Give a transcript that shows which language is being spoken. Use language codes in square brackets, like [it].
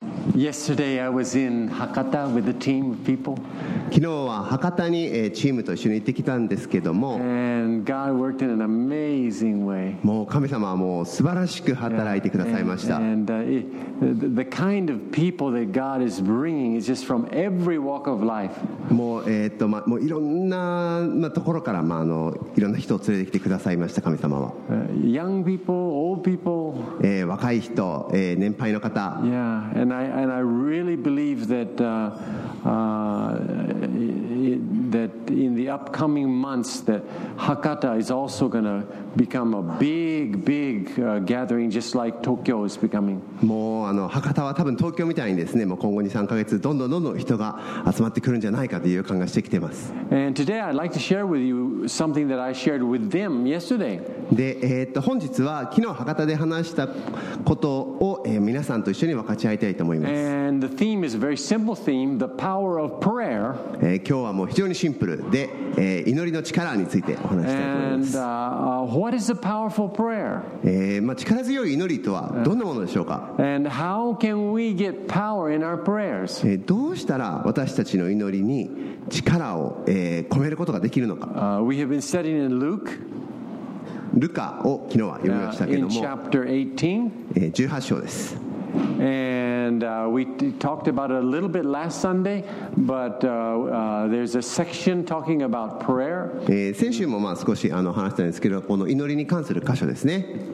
[en] Yesterday I was in Hakata with a team of people. [ja] 昨日は博多にチームと一緒に行ってきたんですけども、 [en] And God worked in an amazing way. [ja] もう神様はもう素晴らしく働いてくださいました。 [en] The kind of people that God is bringing is just from every walk of life. [ja] もう、もういろんなところから、まあ、いろんな人を連れてきてくださいました神様は。 [en] Young people, old people. [ja] 若い人、年配の方。 [en] Yeah, and I really believe that that in the upcoming months that Hakata is also going to become a big, big gathering just like Tokyo is becoming. [ja] もう博多は多分東京みたいにですね、もう今後に3ヶ月どんどんどんどん人が集まってくるんじゃないかという感がしてきてます。 [en] And today I'd like to share with you something that I shared with them yesterday. [ja] で、本日は昨日博多で話したことを、皆さんと一緒に分かち合いたいと思います。 [en] And the theme is a very simple theme, the power of prayer. [ja] 今日はもう非常にシンプルで、祈りの力についてお話したいと思います。 [en] And what is a powerful prayer? [ja] 力強い祈りとはどんなものでしょうか。 [en] And how can we get power in our prayers? [ja] どうしたら私たちの祈りに力を、込めることができるのか。 [en] We have been studying in Luke. [ja] ルカを昨日は読みましたけども、 [en] In chapter 18. [ja] 18章です。 [en] And we talked about it a little bit last Sunday, but there's a section talking about prayer. [ja] 先週もまあ少し話したんですけど、この祈りに関する箇所ですね。